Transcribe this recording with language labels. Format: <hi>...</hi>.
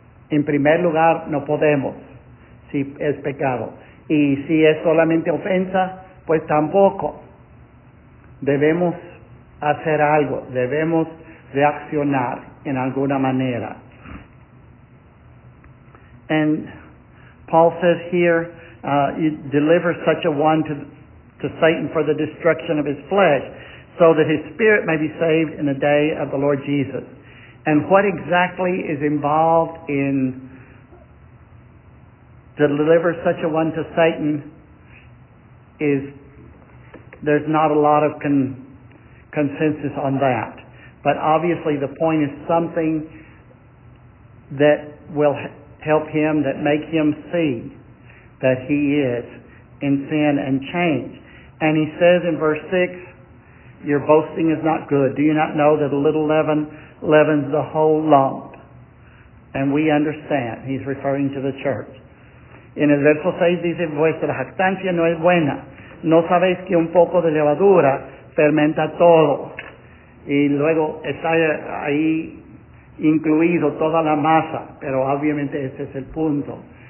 <es>En primer lugar, no podemos, si es pecado. Y si es solamente ofensa, pues tampoco. Debemos hacer algo, debemos reaccionar en alguna manera.</es> <en>And Paul says here, you deliver such a one to Satan for the destruction of his flesh, so that his spirit may be saved in the day of the Lord Jesus. And what exactly is involved in to deliver such a one to Satan is, there's not a lot of consensus on that. But obviously the point is something that will help him, that make him see that he is in sin and change. And he says in verse 6, your boasting is not good. Do you not know that a little leaven leavens the whole lump? And we understand. He's referring to the church.</en> <es>En el verso 6 dice, vuestra jactancia no es buena. No sabéis que un poco de levadura fermenta todo. Y luego está ahí incluido toda la masa, pero obviamente ese es el punto.</es>